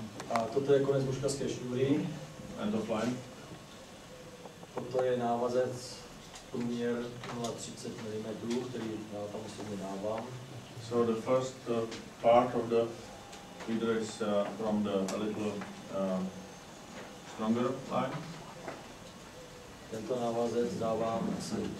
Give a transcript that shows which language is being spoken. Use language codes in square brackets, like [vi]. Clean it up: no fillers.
[cs] A toto je konec muškařské šňůry. [en] End of line. [cs] Toto je návazec průměr 0,30 mm, který já tam osobně dávám. [en] So the first part of the leader is from the a little stronger line. [cs] Tento návazec dávám asi.